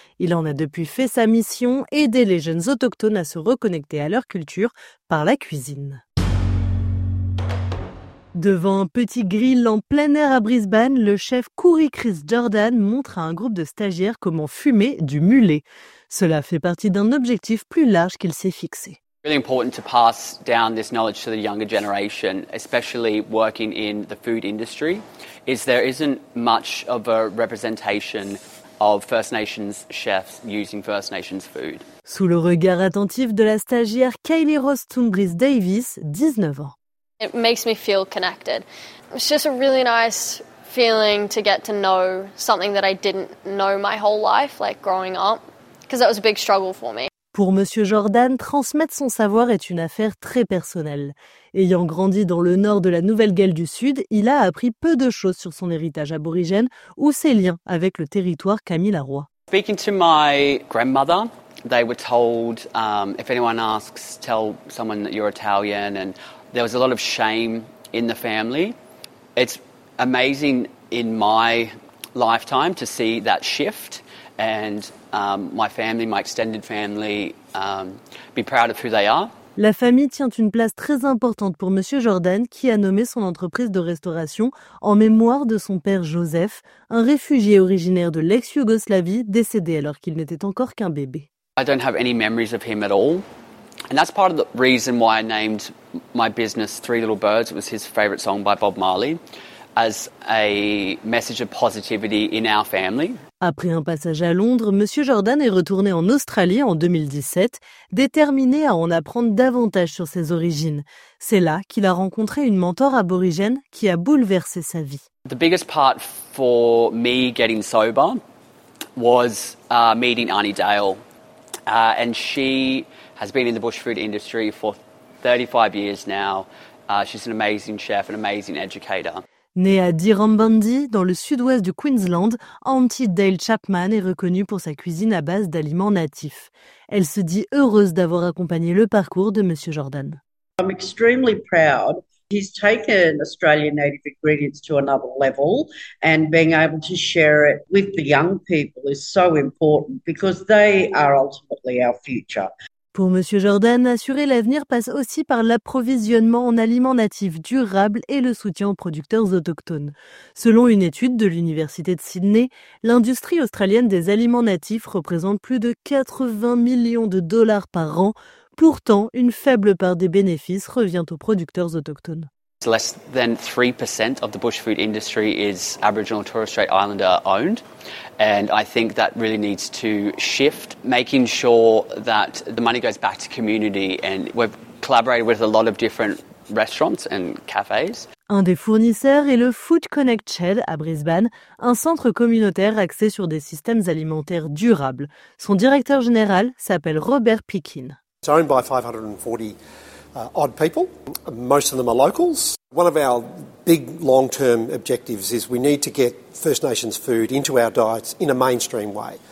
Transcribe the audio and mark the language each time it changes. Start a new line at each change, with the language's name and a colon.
French: Il en a depuis fait sa mission, aider les jeunes autochtones à se reconnecter à leur culture par la cuisine. Devant un petit grill en plein air à Brisbane, le chef Koury Chris Jordan montre à un groupe de stagiaires comment fumer du mulet. Cela fait partie d'un objectif plus large qu'il s'est fixé.
English: Really important to pass down this knowledge to the younger generation, especially working in the food industry, is there isn't much of a representation of First Nations chefs using First Nations food.
French: Sous le regard attentif de la stagiaire Kylie Rose Tungris Davis, 19 ans.
English: It makes me feel connected. It's just a really nice feeling to get to know something that I didn't know my whole life, like growing up, because that was a big struggle for me.
French: Pour Monsieur Jordan, transmettre son savoir est une affaire très personnelle. Ayant grandi dans le nord de la Nouvelle-Galles du Sud, il a appris peu de choses sur son héritage aborigène ou ses liens avec le territoire Camille Arroy.
English: Speaking to my grandmother, they were told, if anyone asks, tell someone that you're Italian, and there was a lot of shame in the family. It's amazing in my lifetime to see that shift and my family, my extended family, be proud of who they are.
French: La famille tient une place très importante pour Monsieur Jordan, qui a nommé son entreprise de restauration en mémoire de son père Joseph, un réfugié originaire de l'ex-Yougoslavie décédé alors qu'il n'était encore qu'un bébé.
English: I don't have any memories of him at all. And that's part of the reason why I named my business Three Little Birds. It was his favorite song by Bob Marley, as a message of positivity in our family.
French: Après un passage à Londres, Monsieur Jordan est retourné en Australie en 2017, déterminé à en apprendre davantage sur ses origines. C'est là qu'il a rencontré une mentor aborigène qui a bouleversé sa vie.
English: The biggest part for me getting sober was meeting Aunty Dale, and she has been in the bush food industry for 35 years now. She's an amazing chef, an amazing educator.
French: Née à Dirambandi, dans le sud-ouest du Queensland, Auntie Dale Chapman est reconnue pour sa cuisine à base d'aliments natifs. Elle se dit heureuse d'avoir accompagné le parcours de Monsieur Jordan.
English: I'm extremely proud. He's taken Australian native ingredients to another level, and being able to share it with the young people is so important because they are ultimately our future.
French: Pour Monsieur Jordan, assurer l'avenir passe aussi par l'approvisionnement en aliments natifs durables et le soutien aux producteurs autochtones. Selon une étude de l'Université de Sydney, l'industrie australienne des aliments natifs représente plus de 80 millions de dollars par an. Pourtant, une faible part des bénéfices revient aux producteurs autochtones.
English: Less than 3% of the bush food industry is Aboriginal and Torres Strait Islander owned, and I think that really needs to shift, making sure that the money goes back to community, and we've collaborated with a lot of different restaurants and cafes.
French: Un des fournisseurs est le Food Connect Shed à Brisbane, un centre communautaire axé sur des systèmes alimentaires durables. Son directeur général s'appelle Robert Pickin.
English: It's owned by 540 odd people. Most of them are locals. One of our big long-term objectives is we need to get First Nations food into our diets in a mainstream way.